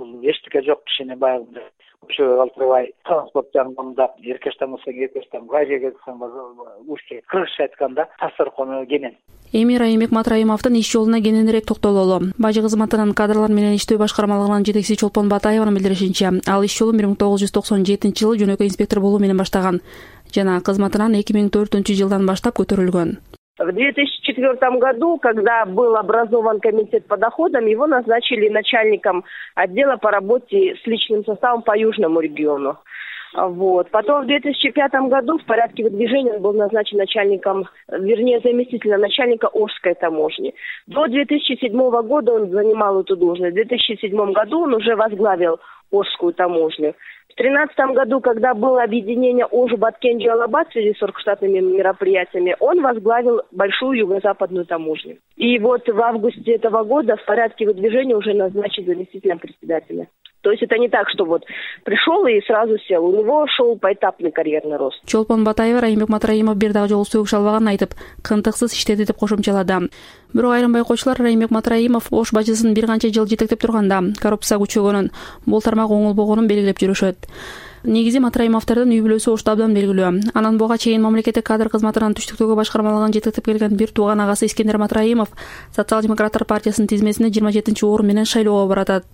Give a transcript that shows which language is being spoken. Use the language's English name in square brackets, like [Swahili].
[Kyrgyz] Бул эчтеке жок кишини баягы ошо калтырбай транспорт жагын мындап эркештен болсоң эркештен кайжерге кетсең уюштуру кыргызча айтканда тасыркону кенен. Эми Райымбек Матраимовдун иш жолуна кененирээк токтололу. Бажы кызматынын кадрлар менен иштөө башкармалыгынын жетекчиси Чолпон Батаеванын билдиришинче, ал иш жолун 1997-жылы жөнөкөй инспектор болуу менен баштаган жана кызматынан 2004-жылдан баштап көтөрүлгөн. [Russian] В 2004 году, когда был образован комитет по доходам, его назначили начальником отдела по работе с личным составом по южному региону. Вот. Потом в 2005 году в порядке выдвижения он был назначен начальником, вернее, заместителем начальника Ошской таможни. До 2007 года он занимал эту должность. В 2007 году он уже возглавил Ошскую таможню. В 2013 году, когда было объединение Ожу-Баткенджи-Алабад в связи с оргштатными мероприятиями, он возглавил Большую Юго-Западную таможню. И вот в августе этого года в порядке выдвижения уже назначили заместителем председателя. То есть это не так, что вот пришел и сразу сел. У него шел поэтапный карьерный рост. [Kyrgyz] Чолпон Батаева, Райымбек Матраимов, Бердагы жолу сүйүш албаган айтып, кынтыксыз иштеди деп кошумчалады. Бирок айрым байкоочулар Райымбек Матраимов Ош бажысын бир канча жыл жетектеп турганда коррупция күчөгөнүн, бул тармак оңолбогонун белгилеп жүрүшөт. Негизи Матраимовтордун үй бүлөсү Ошто абдан белгилүү. Анан буга чейин мамлекеттик кадр кызматынан түштүктөгү башкармалыгын жетектеп келген бир тууган агасы Искендер Матраимов Социал демократтар партиясынын тизмесине 27-чи орун менен шайлоого баратат.